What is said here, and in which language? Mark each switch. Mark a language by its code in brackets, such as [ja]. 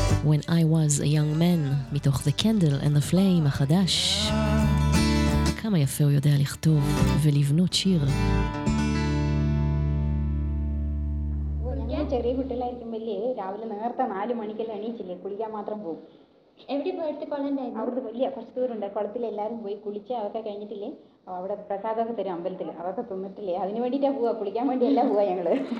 [en] When I was a young man, [he] מתוך [en] The Candle and the Flame [he] החדש. כמה יפה הוא יודע לכתוב ולבנות שיר. [ml] ചെറിയ കുട്ടികളായിരിക്കുമ്പോൾ രാവിലെ നേരത്തെ 4 മണിക്കെല്ലാം എണീച്ചില്ലേ, കുളിക്കാൻ മാത്രം പോകും. എവിടെ പോയിട്ട് കൊള്ളണ്ടായിരുന്നു? അവിടെ വലിയ കുറച്ച് ദൂരമുണ്ട്, കുളത്തിൽ എല്ലാവരും പോയി കുളിച്ച് അവരൊക്കെ കഴിഞ്ഞിട്ടില്ലേ അവിടെ പ്രസാദമൊക്കെ തരും അമ്പലത്തിൽ, അതൊക്കെ തിന്നിട്ടില്ലേ അതിന് വേണ്ടിട്ടാ പോവാ, കുളിക്കാൻ വേണ്ടിയല്ല പോവാ ഞങ്ങള്.